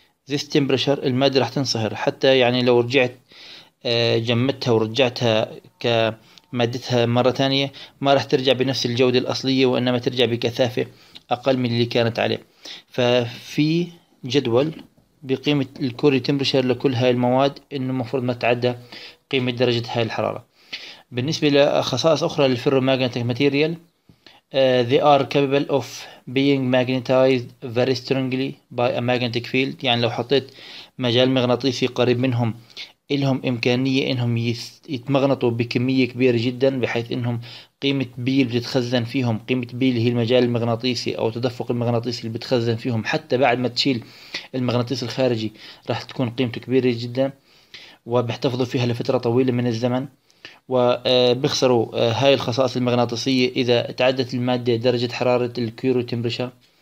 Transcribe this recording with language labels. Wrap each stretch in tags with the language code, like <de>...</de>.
<en>this temperature</en> <ar>المادة راح تنصهر، حتى يعني لو رجعت جمدتها ورجعتها كمادتها مرة ثانية ما راح ترجع بنفس الجودة الأصلية، وإنما ترجع بكثافة أقل من اللي كانت عليه. ففي جدول بقيمة الكوري تمبرشر لكل هاي المواد، إنه المفروض ما تعدى قيمة درجة هاي الحرارة. بالنسبة لخصائص أخرى للفيروماغنتيك ماتيريال،</ar> <en>they are capable of being magnetized very strongly by a magnetic field.</en> <ar>يعني لو حطيت مجال مغناطيسي قريب منهم إلهم إمكانية إنهم يتمغنطوا بكمية كبيرة جدا، بحيث إنهم قيمة بي اللي بتتخزن فيهم، قيمة بي اللي هي المجال المغناطيسي أو التدفق المغناطيسي اللي بتتخزن فيهم حتى بعد ما تشيل المغناطيس الخارجي راح تكون قيمته كبيرة جدا، وبيحتفظوا فيها لفترة طويلة من الزمن، وبيخسروا هاي الخصائص المغناطيسية إذا تعدت المادة درجة حرارة الكيرو تمبرشا.</ar>